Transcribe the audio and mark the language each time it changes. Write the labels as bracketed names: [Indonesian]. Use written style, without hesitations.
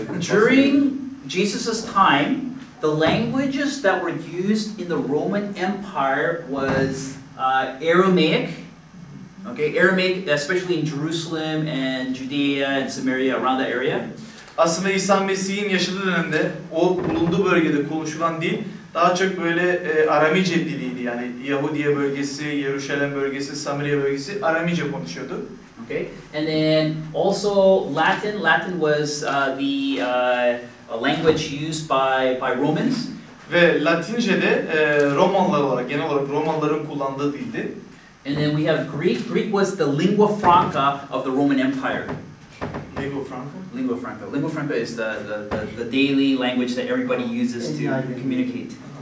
[English] During Jesus's time, the languages that were used in the Roman Empire was Aramaic. Okay, Aramaic, especially in Jerusalem and Judea and Samaria, around that area. [Turkish] Aslında İsa Mesih'in yaşadığı dönemde o bulunduğu bölgede konuşulan dil daha çok böyle Aramice diliydi. Yani Yahudiye bölgesi, Yeruşalem bölgesi, Samiriye bölgesi Aramice konuşuyordu. [English] Okay. And then also Latin was the language used by Romans. [Turkish] Ve Latince de Romalılar olarak genel olarak Romalıların kullandığı dildi. [English] And then we have Greek. Greek was the lingua franca of the Roman Empire. Lingua franca. Lingua franca is the daily language that everybody uses to communicate.